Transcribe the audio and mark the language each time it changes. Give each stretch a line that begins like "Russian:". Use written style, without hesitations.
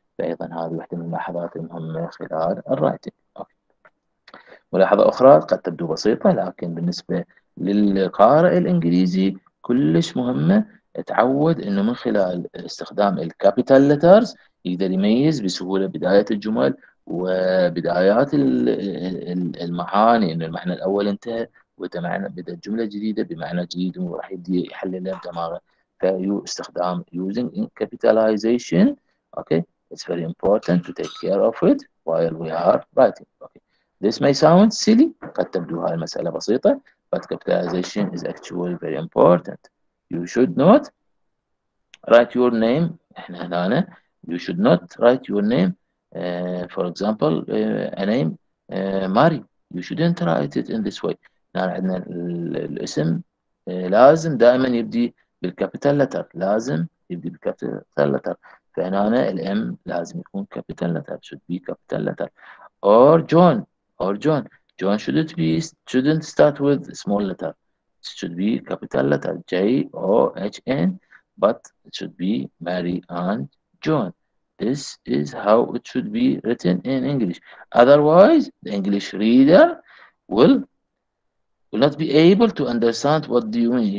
Arabic: فأيضا هذه واحدة من الملاحظات المهمة خلال الرايتنج. ملاحظة أخرى قد تبدو بسيطة لكن بالنسبة للقارئ الإنجليزي كلش مهمة. اتعود انه من خلال استخدام الكابيتال لترز يقدر يميز بسهولة بداية الجمل وبدايات المعاني انه المعنى الاول انتهى وتمعنى بدا جمله جديده بمعنى جديد وراح يدي يحللها بدماغه. فيو استخدام
English: using capitalization okay it's very important to take care of it while we are writing. okay this may sound silly
Arabic: قد تبدو هاي المساله بسيطه
English: but capitalization is actually very important. you should not write your name
Arabic: احنا هنا أنا.
English: you should not write your name for example a name Mary. you shouldn't write it in this way.
Arabic: نحن عندنا الاسم لازم دائما يبدي بالكابيتال لتر. لازم يبدي بالكابيتال لتر. فهنا الام لازم يكون كابيتال لتر.
English: should be capital letter. or John. or John. John shouldn't be shouldn't start with small letter. should be capital letter. J O H N. but it should be Mary and John. This is how it should be written in English. Otherwise, the English reader will not be able to understand what do you mean.